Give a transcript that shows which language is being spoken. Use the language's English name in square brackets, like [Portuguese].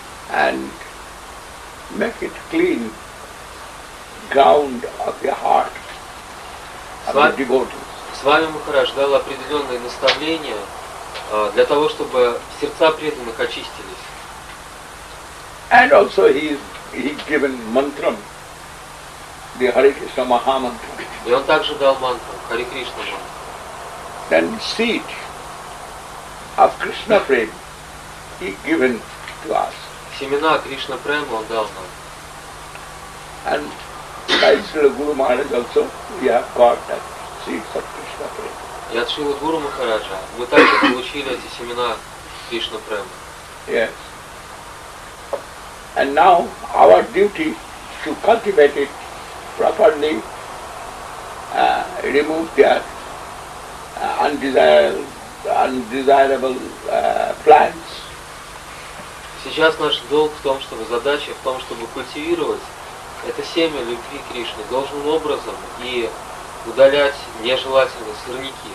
[English] And make it clean ground of your heart of the devotees. [Russian] Свами Махарадж дал определенные наставления для того, чтобы сердца преданных очистились. [English] And also he given mantra, the Hare Krishna Mahamantra. [Russian] И он также дал мантру Хари Кришна мантру. [English] Then seed of Krishna prema he given to us. [Russian] Семена Кришна Прэма он дал нам. [English] And by Srila Guru Maharaj also we have got that seeds of Krishna Prema. [Russian] И от Шрилы Гуру Махараджа мы также получили эти семена Кришна Прэма. [English] Yes. And now our duty to cultivate it properly, remove their undesirable plants. [Russian] Сейчас наш долг в том, чтобы задача в том, чтобы культивировать это семя любви Кришны должным образом и удалять нежелательные сорняки.